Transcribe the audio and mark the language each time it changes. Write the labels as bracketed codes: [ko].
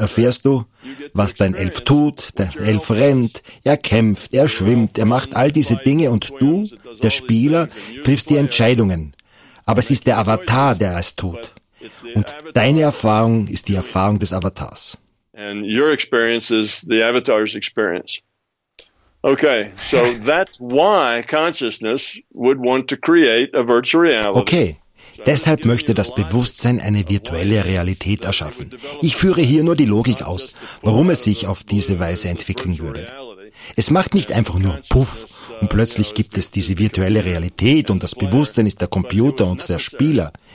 [de] Erfährst du, was dein Elf tut, der Elf rennt, er kämpft, er schwimmt, er macht all diese Dinge und du, der Spieler, triffst die Entscheidungen. Aber es ist der Avatar, der es tut. Und deine Erfahrung ist die Erfahrung des Avatars. [en] And your experience is the Avatar's experience. Okay, so that's why consciousness would want to create a virtual reality. Okay. [de] Deshalb möchte das Bewusstsein eine virtuelle Realität erschaffen. Ich führe hier nur die Logik aus, warum es sich auf diese Weise entwickeln würde. Es macht nicht einfach nur Puff und plötzlich gibt es diese virtuelle Realität und das Bewusstsein ist der Computer und der Spieler.